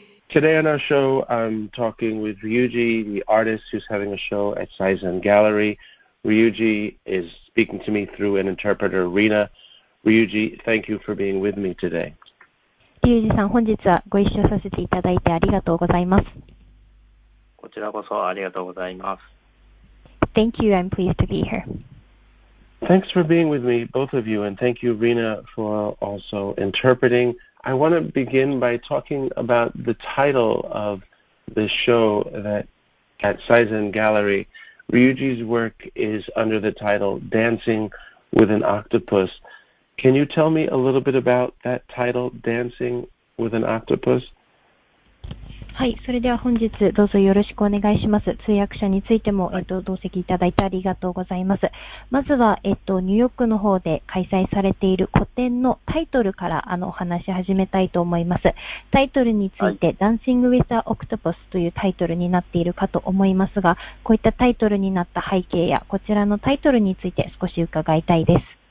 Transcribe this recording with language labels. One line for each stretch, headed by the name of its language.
English: Today on our show, I'm talking with Ruiji, the artist who's having a show at SEIZAN Gallery. Ruiji is speaking to me through an interpreter, Rina. Ruiji, thank you for being with me today.
Japanese: Ryuji-san, 本日はご一緒させていただいてありがとうございます。こちらこそありがとうございます。
English: Thank you, I'm pleased to be here. Thanks for being with me, both of you, and thank you, Rina, for also interpreting. I want to begin by talking about the title of the show that at SEIZAN Gallery. Ryuji's work is under the title Dancing with an Octopus. Can you tell me a little bit about that title, Dancing with an Octopus?
Japanese: はい、それでは本日どうぞよろしくお願いします。通訳者についても、同席いただいてありがとうございます。まずは、ニューヨークの方で開催されている個展のタイトルからお話し始めたいと思います。タイトルについて、はい、Dancing with an Octopus というタイトルになっているかと思いますが、こういったタイトルになった背景や、こちらのタイトルについて少し伺いたいです。